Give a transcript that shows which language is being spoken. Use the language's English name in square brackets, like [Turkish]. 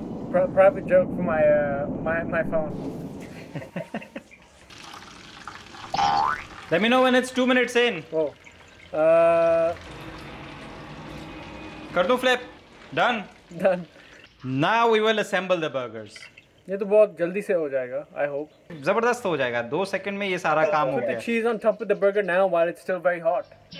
[English] Private joke for my my phone. Let me know when it's 2 minutes in. Oh. [Hindi] Kar do flip. [English] Done. Done. Now we will assemble the burgers. [Hindi] ये तो बहुत जल्दी से हो जाएगा. [English] I hope. [Hindi] जबरदस्त हो जाएगा. 2 seconds में ये सारा काम हो गया. [English] Put the cheese on top of the burger now while it's still very hot.